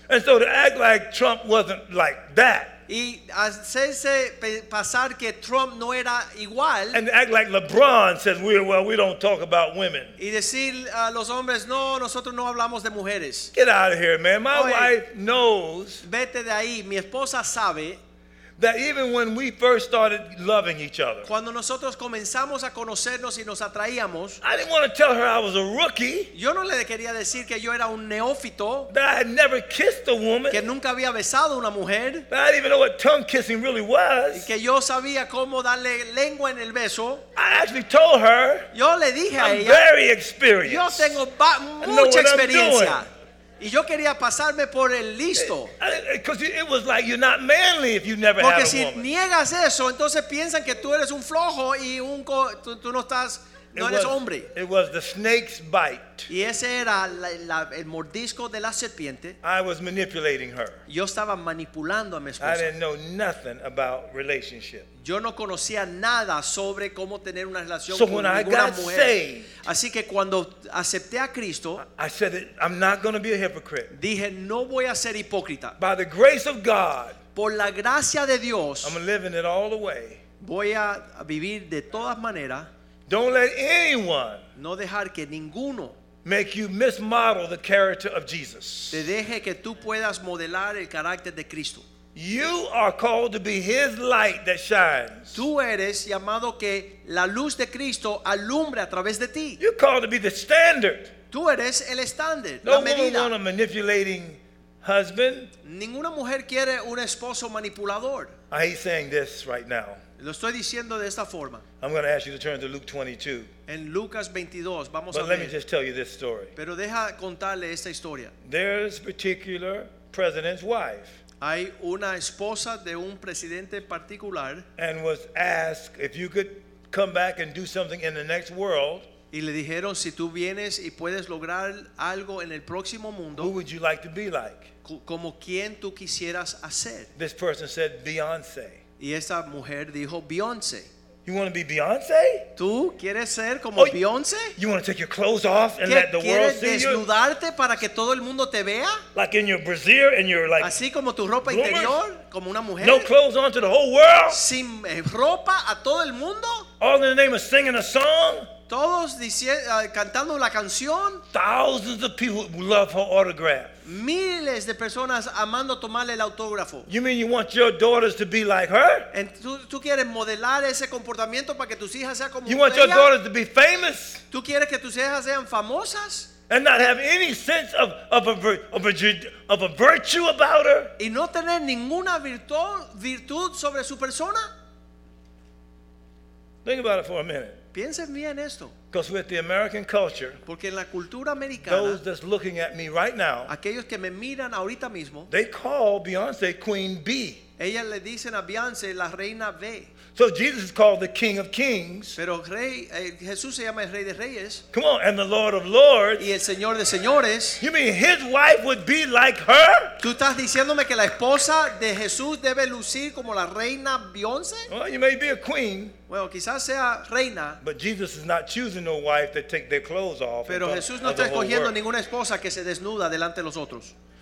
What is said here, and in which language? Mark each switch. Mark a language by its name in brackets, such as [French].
[English] And so to act like Trump wasn't like that. [Spanish] Y hacerse pasar que Trump no era igual. [English] And act like LeBron says, we don't talk about women. [Spanish] Y decir a los hombres, no, nosotros no hablamos de mujeres. [English] Get out of here, man. My wife knows. [Spanish] Vete de ahí. Mi esposa sabe. [English] That even when we first started loving each other. [Spanish] Cuando nosotros comenzamos a conocernos y nos atraíamos. [English] I didn't want to tell her I was a rookie. [Spanish] Yo no le quería decir que yo era un neófito. [English] That I had never kissed a woman. [Spanish] Que nunca había besado una mujer. [English] That I didn't even know what tongue kissing really was. [Spanish] Y que yo sabía cómo darle lengua en el beso. [English] I actually told her. [Spanish] Yo le dije [English] I'm [Spanish] a ella. [English] I'm very experienced. [Spanish] Yo tengo mucha experiencia. Y yo quería pasarme por el listo. [English] It was like you're not manly if you never [Spanish] porque [English] had a [Spanish] si [English] woman. [Spanish] Porque si niegas eso, entonces piensan que tú eres un flojo y tú no estás, no [English] it [Spanish] eres [English] was, [Spanish] hombre. [English] It was the snake's bite. [Spanish] Y ese era el mordisco de la serpiente. [English] I was manipulating her. [Spanish] Yo estaba manipulando a mi esposa. [English] I didn't know nothing about relationships. [Spanish] Yo no conocía nada sobre cómo tener una relación [English] so [Spanish] con ninguna [English] I got [Spanish] mujer. [English] Saved, [Spanish] así que cuando acepté a Cristo, [English] I said that I'm not going to be a hypocrite. [Spanish] Dije, no voy a ser hipócrita. [English] By the grace of God, [Spanish] por la gracia de Dios, [English] I'm living it all the way. [Spanish] Voy a vivir de todas maneras. [English] Don't let anyone [Spanish] no dejar que ninguno [English] make you mismodel the character of Jesus. [Spanish] Te deje que tú puedas modelar el carácter de Cristo. [English] You are called to be His light that shines. [Spanish] Tú eres llamado que la luz de Cristo alumbre a través de ti. [English] You're called to be the standard. [Spanish] Tú eres el estándar. [English] No woman want a manipulating husband. [Spanish] Ninguna mujer quiere un esposo manipulador. [English] I hate saying this right now. [Spanish] Lo estoy diciendo de esta forma. [English] I'm going to ask you to turn to Luke 22. [Spanish] En Lucas 22, vamos [English] but [Spanish] a ver. [English] Let me just tell you this story. [Spanish] Pero deja contarle esta historia. [English] There's a particular president's wife. [Spanish] Hay una esposa de un presidente particular. [English] And was asked if you could come back and do something in the next world. [Spanish] Y le dijeron si tú vienes y puedes lograr algo en el próximo mundo. [English] Who would you like to be like? [Spanish] Como quien tú quisieras hacer. [English] This person said Beyoncé. [Spanish] Y esa mujer dijo Beyoncé. [English] You want to be Beyoncé? [Spanish] ¿Tú quieres ser como oh, Beyoncé? [English] You want to take your clothes off and let the world see you? [Spanish] ¿Quieres desnudarte para que todo el mundo te vea? [English] Like in your brassiere and you're like [Spanish] así como tu ropa interior como una mujer. [English] No clothes on to the whole world? [Spanish] Sin ropa a todo el mundo? [English] All in the name of singing a song? [Spanish] Todos cantando la canción. [English] Thousands of people love her autograph. [Spanish] Miles de personas amando tomarle el autógrafo. [English] You mean you want your daughters to be like her? [Spanish] ¿Tú quieres modelar ese comportamiento para que tus hijas sean como [English] ella? You want your daughters to be famous? [Spanish] ¿Tú quieres que tus hijas sean famosas? [English] And not have any sense of a virtue about her? [Spanish] ¿Y no tener ninguna virtud sobre su persona? [English] Think about it for a minute. [Spanish] Piensen bien esto. [English] Because with the American culture, [Spanish] porque en la cultura americana, [English] those that's looking at me right now, [Spanish] aquellos que me miran ahorita mismo, [English] they call Beyoncé Queen B. [Spanish] Ella le dicen a Beyoncé la reina B. [English] So Jesus is called the King of Kings. [Spanish] Pero rey, Jesús se llama el Rey de Reyes. [English] Come on, and the Lord of Lords. [Spanish] Y el Señor de Señores. [English] You mean his wife would be like her? [Spanish] ¿Tú estás diciéndome que la esposa de Jesús debe lucir como la reina Beyoncé? [English] Well, you may be a queen. [Spanish] Bueno, quizás sea reina. [English] But Jesus is not choosing no wife to take their clothes off. [Spanish] Pero Jesús no está escogiendo ninguna esposa que se desnuda delante de los otros.